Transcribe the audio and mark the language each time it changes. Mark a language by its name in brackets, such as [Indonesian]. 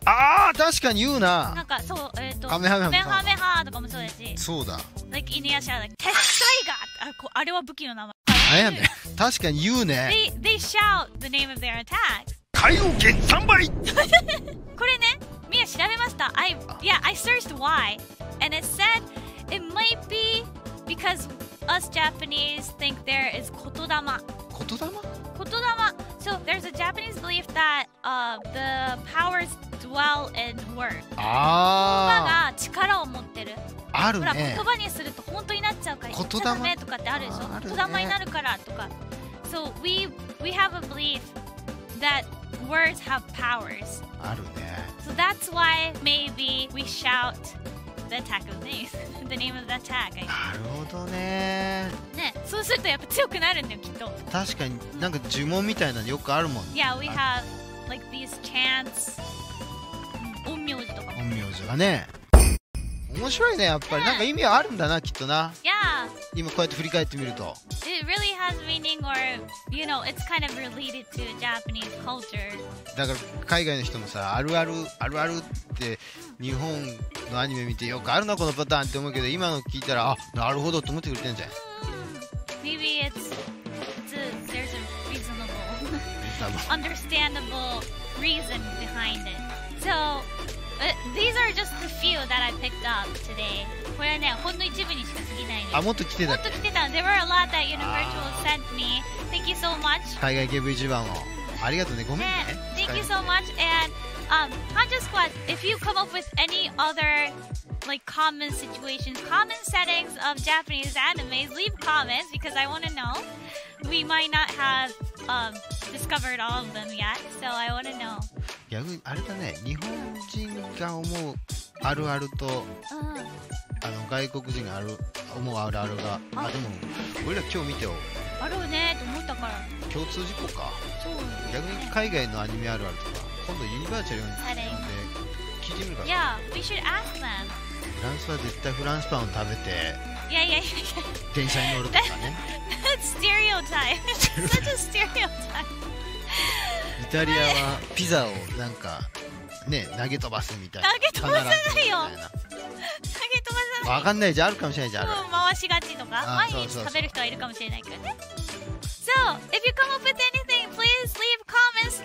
[Japanese] ああ確かに言うな。なんかそう、カメハメハ。カメハメハとかもそうだし。そうだ。 [English] Like in the shadow, like テッサイガー。 [Japanese] あ、こうあれは武器の名前。あやね。確かに言うね。 [English] They shout the name of their attacks。 [Japanese] 海王拳三倍。これね、みや調べました。 [English] I searched why and it said it might be because Us Japanese think there is kotodama. [Japanese] Kotodama? Kotodama. [English] So there's a Japanese belief that the powers dwell in words. Ah. [Japanese] 言葉が力を持ってる。あるね。ほら、言葉にすると本当になっちゃうから。 kotodama とかってあるでしょ。kotodama になるからとか。 [English] So we have a belief that words have powers. [Japanese] あるね。 [English] So that's why maybe we shout. The attack of this. The name of the attack. [Japanese] なるほどね。ね、そうするとやっぱ強くなるんだよきっと。確かになんか呪文みたいなのよくあるもんね。 [English] Yeah, we have like these chants. 陰陽師とか。 [Japanese] 陰陽師がね。面白いねやっぱり、ね、なんか意味はあるんだなきっとな。 [English] Yeah. [Japanese] 今こうやって振り返ってみると。 [English] It really has meaning or you know it's kind of related to Japanese culture. [Japanese] だから海外の人もさ、あるあるあるあるって日本のアニメ見てよくあるなこのパターンって思うけど、今の聞いたらあ、なるほどって思ってくれてんじゃん。 [English] Maybe there's a reasonable understandable reason behind it. So These are just the few that I picked up today. [Japanese] これはね、ほんの一部にしか過ぎないです。あ、もっと来てた。もっと来てた。 [English] There were a lot that Universal sent me. Thank you so much. [Japanese] 海外系 VTuber も。ありがとうね。ごめんね。ね、 [English] Thank you so much. And, Hanja Squad, if you come up with any other, like, common situations, common settings of Japanese animes, leave comments because I want to know. We might not have, discovered all of them yet, so I want to know. [Japanese] 逆あれだね、日本人が思うあるあると、うん、あの外国人がある思うあるあるが、あ、でも俺ら今日見てよあるねと思ったから共通事項か。そう、ね、逆に海外のアニメあるあるとか今度ユニバーチャル読んで聞いてみるから。 [English] Yeah, we should ask them. [Japanese] フランスは絶対フランスパンを食べて、いやいやいや、電車に乗るとかね。 [English] That's stereotype. Such a stereotype. [Japanese] イタリアはピザをなんかね、投げ飛ばすみたいな。投げ飛ばさないよ。投げ飛ばさない。わかんないじゃん、あるかもしれないじゃん。そう、回しがちとか、毎日食べる人はいるかもしれないけどね。 [English] So, if you come up with anything, please leave comments.